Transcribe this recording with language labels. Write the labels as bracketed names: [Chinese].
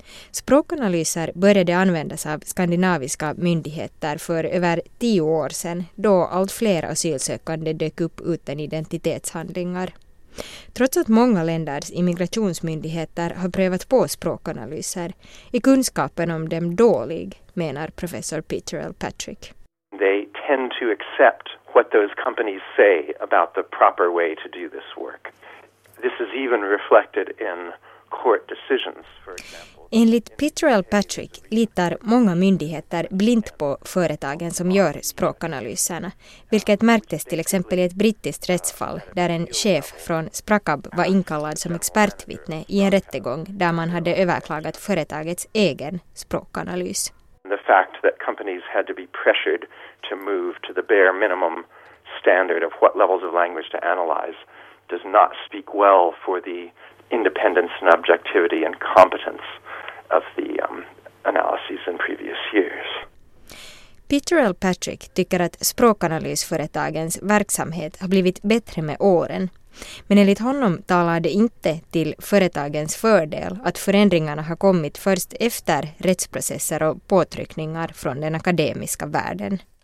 [Swedish] Språkanalyser började användas av skandinaviska myndigheter för över 10 år sedan då allt fler asylsökande dök upp utan identitetshandlingar. Trots att många länders immigrationsmyndigheter har prövat på språkanalyser, är kunskapen om dem dålig, menar professor Peter L. Patrick. [English] They tend to accept what those companies say about the proper way to do this work. This is even reflected in court decisions, for example. [Swedish] Enligt Peter L. Patrick litar många myndigheter blint på företagen som gör språkanalyserna, vilket märktes till exempel i ett brittiskt rättsfall där en chef från Sprakab var inkallad som expertvittne i en rättegång där man hade överklagat företagets egen språkanalys. [English] The fact that companies had to be pressured to move to the bare minimum standard of what levels of language to analyze does not speak well for the independence and objectivity and competence of the analyses in previous years. [Swedish] Peter L. Patrick tycker att språkanalysföretagens verksamhet har blivit bättre med åren. Men enligt honom talar det inte till företagens fördel att förändringarna har kommit först efter rättsprocesser och påtryckningar från den akademiska världen.